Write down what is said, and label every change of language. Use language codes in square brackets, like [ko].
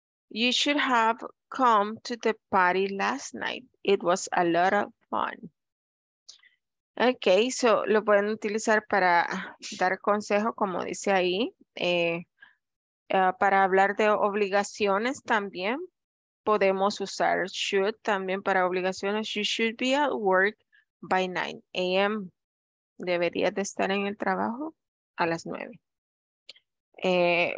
[en] You should have come to the party last night. It was a lot of fun. [es] Ok, so lo pueden utilizar para dar consejo, como dice ahí. Para hablar de obligaciones también. Podemos usar should también para obligaciones. [en] You should be at work by 9 a.m. [es] Deberías de estar en el trabajo a las 9.